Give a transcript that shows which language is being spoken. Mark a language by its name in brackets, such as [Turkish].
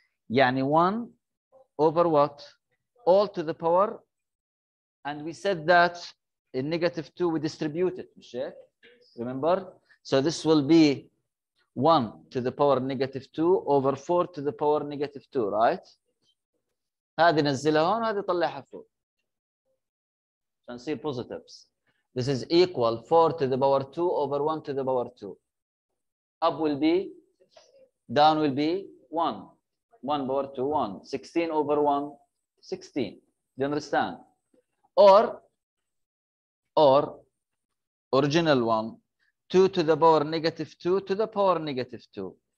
[English] يعني 1 over what? All to the power. And we said that in negative 2, we distribute it. Check? Remember? So this will be 1 to the power negative 2 over 4 to the power negative 2, right? [Arabic] هذه نزلها هون وهذه طلعها فوق. [English] And see positives. This is equal 4 to the power 2 over 1 to the power 2. Up will be, down will be 1. 1 power 2, 1. 16 over 1, 16. Do you understand? Or, original one, 2 to the power negative 2 to the power negative 2.